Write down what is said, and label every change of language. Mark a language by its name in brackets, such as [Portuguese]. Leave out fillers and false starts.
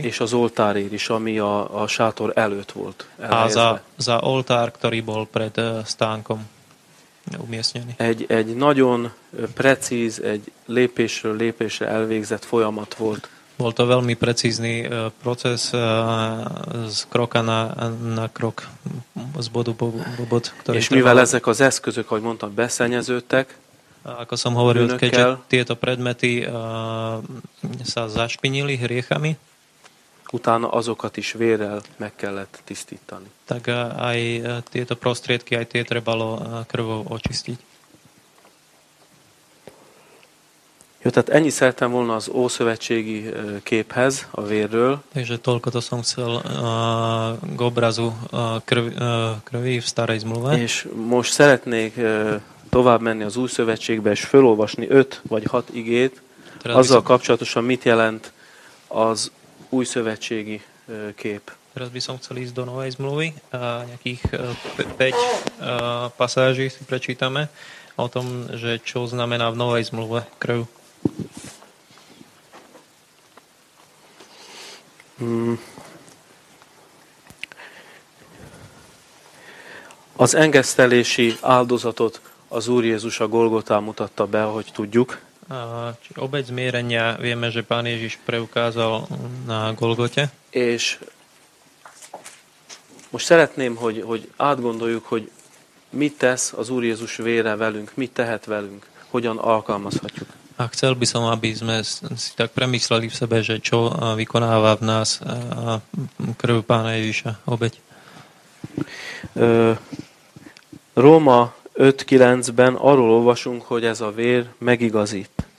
[Hungarian] És az oltárér is, ami a sátor előtt volt. [Slovak] A za oltár, ktorý bol pred stánkom umiestnený. [Hungarian] Egy nagyon precíz, egy lépésről lépésre elvégzett folyamat volt. [Slovak] Bol to veľmi precízny proces z kroka na krok, z bodu po bod, ktorý trval. [Hungarian] Mivel ezek az eszközök, ahogy mondtam, beszennyeződtek, [Slovak] ako som hovoril, keďže tieto predmety sa zašpinili hriechami, [Hungarian] utána azokat is vérrel meg kellett tisztítani. [Slovak] Tak aj tieto prostriedky, aj tie trebalo krvou očistiť. [Hungarian] Jó, tehát ennyi szeretem volna az ószövetségi képhez, a vérről. [Slovak] Takže toľko to som chcel k obrazu krvi v starej zmluve. [Hungarian] És most szeretnék tovább menni az új szövetségbe, és felolvasni 5 vagy 6 igét, azzal kapcsolatosan mit jelent az új szövetségi kép. [Slovak] Teraz by som chcel ísť do novej zmluvy, a nejakých 5 pasáží si prečítame o tom, že čo znamená v novej zmluve krv. [Hungarian] Az engesztelési áldozatot az Úr Jézus a Golgotán mutatta be, ahogy tudjuk. [Slovak] Obeť zmierenia vieme, že Pán Ježiš preukázal na Golgote. [Hungarian] És most szeretném, hogy átgondoljuk, hogy mit tesz az Úr Jézus vére velünk, mit tehet velünk, hogyan alkalmazhatjuk. [Slovak] A chcel by som, aby sme si tak premysleli v sebe, že čo vykonáva v nás krv Pána Ježiša, obeť. [Hungarian] Róma 5:9-ben arról olvasunk, hogy ez a vér megigazít.